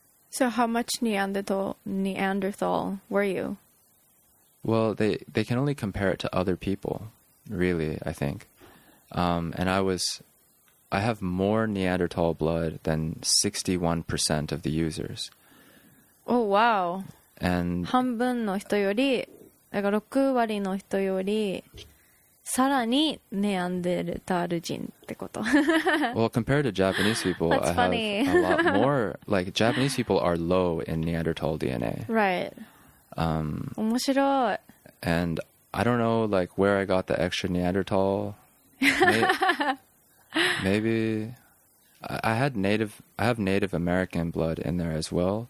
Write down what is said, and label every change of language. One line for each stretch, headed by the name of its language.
English: So how much Neanderthal were you? Well, they can only compare it to other people. Really, I think. And I have more Neanderthal blood than 61% of the users. Oh, wow. And
Japanese: 半分の人より、だから6割の人より、さらにネアンデルタール人ってこと。
English: Well, compared to Japanese people, That's I have funny. a lot more. Like, Japanese people are low in Neanderthal DNA. Right.
Japanese: 面白い。
English: And I don't know, like, where I got the extra Neanderthal. Maybe I have Native American blood in there as well.